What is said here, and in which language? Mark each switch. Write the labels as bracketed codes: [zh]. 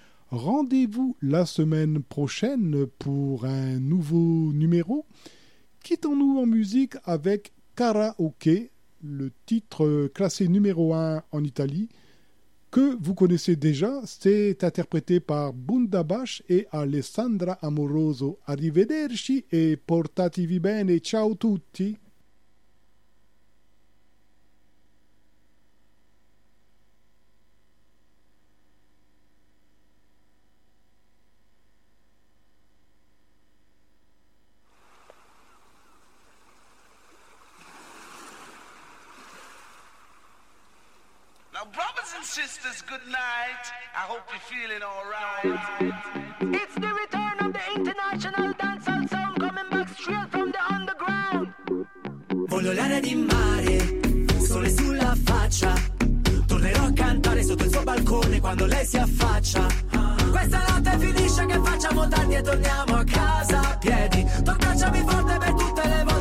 [fr] Rendez-vous la semaine prochaine pour un nouveau numéro. Quittons-nous en musique avec Karaoke, le titre classé numéro 1 en Italie, que vous connaissez déjà. C'est interprété par Bundabash et Alessandra Amoroso. [it] Arrivederci e portatevi bene. Ciao tutti! [en] Sisters, good night. I hope you're feeling all right. It's the return of the international dancehall sound, coming back straight from the underground. [it] Voglio l'aria di mare, sole sulla faccia. Tornerò a cantare sotto il suo balcone quando lei si affaccia. Questa notte finisce, che facciamo tardi e torniamo a casa a piedi. Toccaciami forte per tutte le